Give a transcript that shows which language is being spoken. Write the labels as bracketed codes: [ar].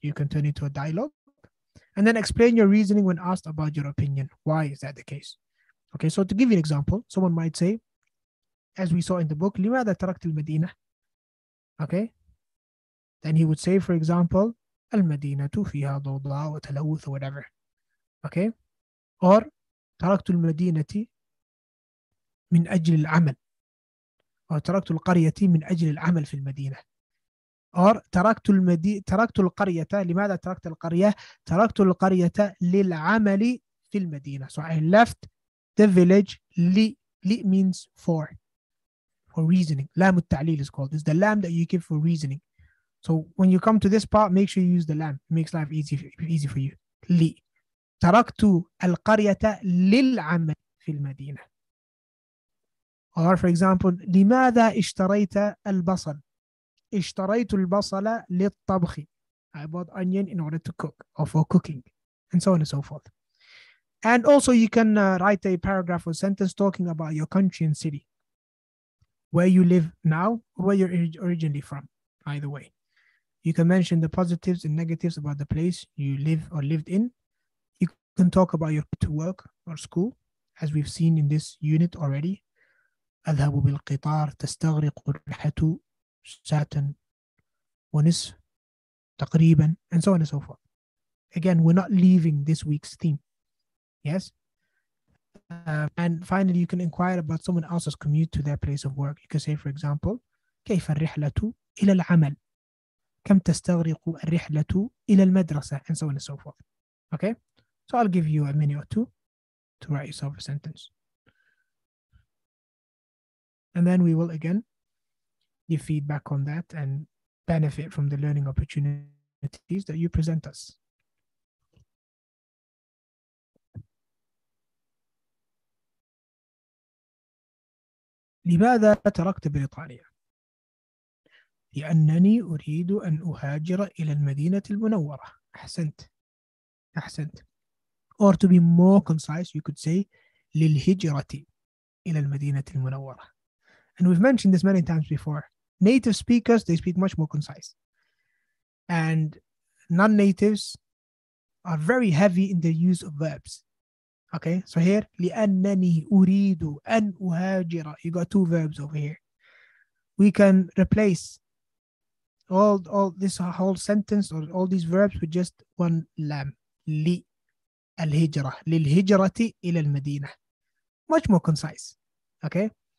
[en] You can turn it into a dialogue. And then explain your reasoning when asked about your opinion. Why is that the case? Okay, so to give you an example, someone might say, as we saw in the book, [ar] لماذا تركت المدينة? [en] Okay? Then he would say, for example, [ar] المدينة فيها ضوضاء وتلوث [en] or whatever. Okay? [ar] Or, تركت المدينة من أجل العمل. Or, تركت القرية من أجل العمل في المدينة. Or تركت القرية, لماذا تركت القرية? تركت القرية للعمل في المدينة. [en] So I left the village. Li means for reasoning. [ar] لام التعليل [en] is called. It's the lam that you give for reasoning. So when you come to this part, make sure you use the lam. It makes life easy for you. [ar] لي تركت القرية للعمل في المدينة. [en] Or for example, [ar] لماذا اشتريت البصل? اشتريت البصل للطبخ. [en] I bought onion in order to cook or for cooking, and so on and so forth. And also you can write a paragraph or sentence talking about your country and city, where you live now, where you're originally from. Either way, you can mention the positives and negatives about the place you live or lived in. You can talk about your to work or school, as we've seen in this unit already. [ar] أذهب بالقطار تستغرق رحلة ساعتين ونصف تقريبا, [en] and so on and so forth. Again, we're not leaving this week's theme. Yes? And finally, you can inquire about someone else's commute to their place of work. You can say, for example, [ar] كيف الرحلة إلى العمل? كم تستغرق الرحلة إلى المدرسة? [en] And so on and so forth. Okay? So I'll give you a minute or two to write yourself a sentence. And then we will again give feedback on that and benefit from the learning opportunity. opportunities that you present us. [ar] لماذا تركت بريطانيا؟ لأنني أريد أن أهاجر إلى المدينة المنورة. أحسنت. أحسنت. [en] Or to be more concise, you could say [ar] للهجرة إلى المدينة المنورة. [en] And we've mentioned this many times before. Native speakers, they speak much more concise. And non-natives are very heavy in their use of verbs. Okay, so here, [ar] لأنني أريد أن أهاجر. [en] You got two verbs over here. We can replace all this whole sentence or all these verbs with just one lam. [ar] للهجرة. للهجرة إلى المدينة. [en] Much more concise. Okay.